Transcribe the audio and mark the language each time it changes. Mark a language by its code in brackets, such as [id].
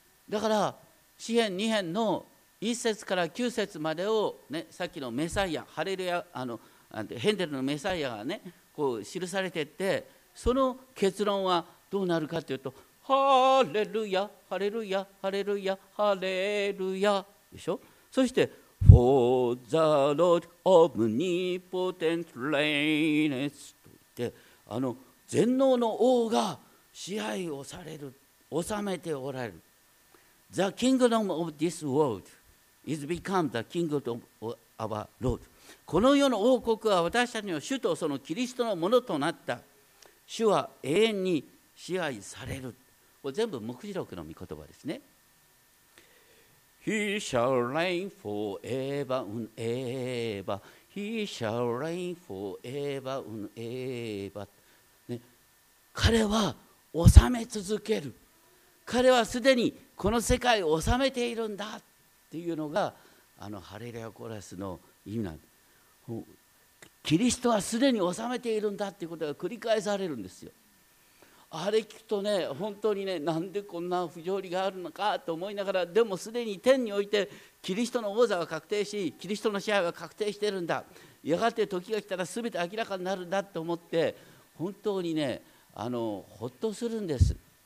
[ja] だから詩編2編の1節から9節までを、ね、さっきのメサイア、ハレルヤ、ヘンデルのメサイアがね、こう記されてって、その結論はどうなるかというと、ハレルヤ、ハレルヤ、ハレルヤ、ハレルヤでしょ。そして、 [en] For the Lord Omnipotent Reigns [ja] といって、全能の王が支配をされる、治めておられる。 [en] The kingdom of this world is become the kingdom of our Lord。 [ja] この世の王国は私たちの主とそのキリストのものとなった。主は永遠に支配される。これ全部黙示録の御言葉ですね。 [en] He shall reign forever and ever. He shall reign forever and ever、ね、 [ja] 彼は治め続ける。彼はすでにこの世界を治めているんだっていうのが、ハレルヤコーラスの意味なんです。キリストはすでに治めているんだっていうことが繰り返されるんですよ。あれ聞くとね、本当にね、なんでこんな不条理があるのかと思いながら、でもすでに天においてキリストの王座は確定し、キリストの支配は確定しているんだ、やがて時が来たら全て明らかになるんだと思って、本当にね、ほっとするんです。